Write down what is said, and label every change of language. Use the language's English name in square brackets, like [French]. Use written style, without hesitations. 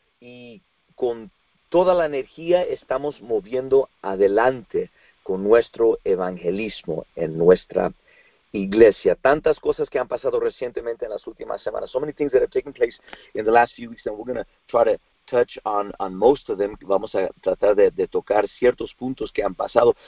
[Spanish] Y con toda la energía estamos moviendo adelante con nuestro evangelismo en nuestra iglesia. Tantas cosas que han pasado recientemente en las últimas semanas. [English] So many things that have taken place in the last few weeks, and we're going to try to touch on most of them. [Spanish] Vamos a tratar de tocar ciertos puntos que han pasado.